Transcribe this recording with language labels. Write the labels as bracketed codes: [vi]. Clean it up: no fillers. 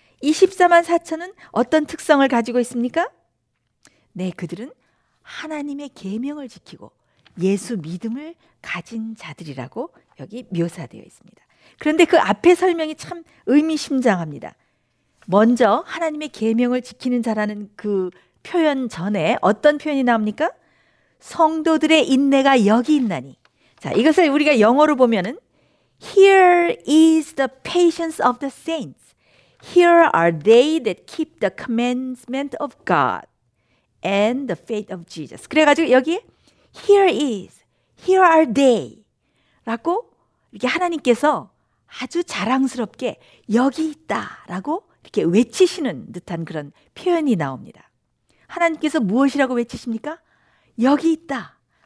[ko] 이 14만 4천은 어떤 특성을 가지고 있습니까? 네, 그들은 하나님의 계명을 지키고 예수 믿음을 가진 자들이라고 여기 묘사되어 있습니다. 그런데 그 앞에 설명이 참 의미심장합니다. 먼저 하나님의 계명을 지키는 자라는 그 표현 전에 어떤 표현이 나옵니까? 성도들의 인내가 여기 있나니. 자, 이것을 우리가 영어로 보면은 [en] Here is the patience of the saints. Here are they that keep the commandment of God and the faith of Jesus. [ko] 그래가지고 여기에 [en] Here are they [ko] 라고 이렇게 하나님께서 아주 자랑스럽게 여기 있다라고 이렇게 외치시는 듯한 그런 표현이 나옵니다. 하나님께서 무엇이라고 외치십니까? 여기 있다.